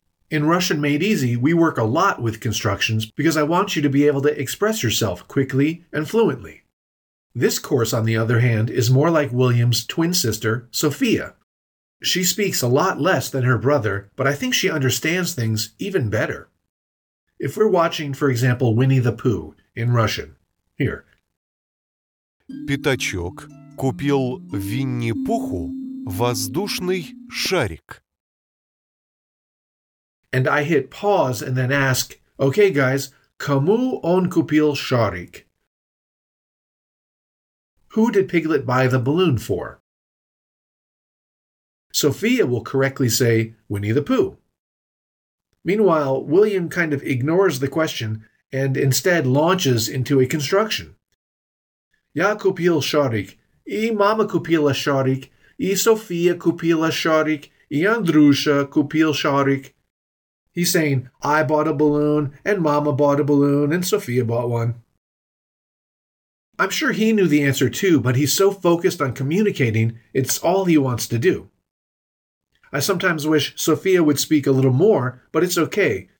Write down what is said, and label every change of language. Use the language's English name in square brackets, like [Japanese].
[English] In Russian Made Easy, we work a lot with constructions because I want you to be able to express yourself quickly and fluently. This course, on the other hand, is more like William's twin sister, Sophia. She speaks a lot less than her brother, but I think she understands things even better. If we're watching, for example, Winnie the Pooh in Russian, here. [Russian] Пятачок купил Винни-Пуху воздушный шарик. [English] And I hit pause and then ask, okay guys, [Russian] кому он купил шарик? [English] Who did Piglet buy the balloon for? Sophia will correctly say, Winnie the Pooh. Meanwhile, William kind of ignores the question and instead launches into a construction. [Russian] Я купил шарик, и мама купила шарик, и Софія купила шарик, и Андрюша купил шарик. [English] He's saying, I bought a balloon, and Mama bought a balloon, and Sophia bought one. I'm sure he knew the answer too, but he's so focused on communicating, it's all he wants to do. I sometimes wish Sophia would speak a little more, but it's okay.